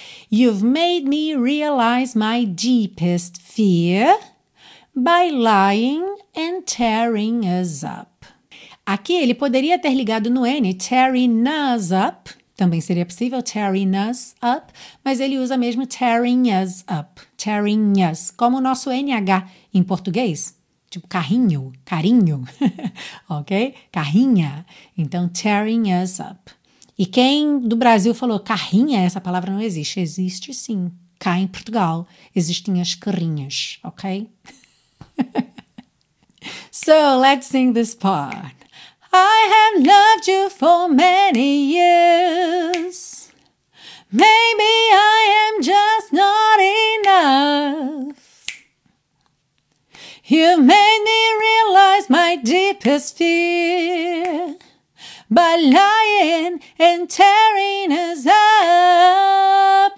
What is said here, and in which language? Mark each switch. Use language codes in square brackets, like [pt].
[en] You've made me realize my deepest fear by lying and tearing us up. [pt] Aqui ele poderia ter ligado no N, tearing us up. [en] Também seria possível, tearing us up. Mas ele usa mesmo tearing us up. Tearing us. [pt] Como o nosso NH em português. Tipo carrinho, carinho. Ok? Carrinha. [en] Então, tearing us up. [pt] E quem do Brasil falou carrinha, essa palavra não existe. Existe sim. Cá em Portugal existem as carrinhas, ok? [en] So, let's sing this part. I have loved you for many years. Maybe I am just not enough. You made me realize my deepest fear by lying and tearing us up.